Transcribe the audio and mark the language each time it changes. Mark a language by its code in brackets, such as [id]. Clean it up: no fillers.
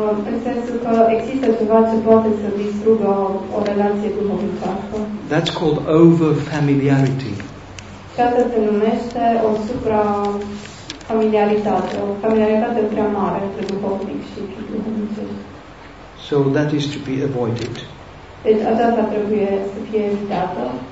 [ro] În sensul că există ceva ce poate să distrugă o relație duhovnicească. [en] That's called over familiarity. [ro] Și asta se numește o supra familiaritate, o familiaritate prea mare între duhovnic și duhovnicesc. [en] So that is to be avoided. [ro] Deci aceasta trebuie să fie evitată.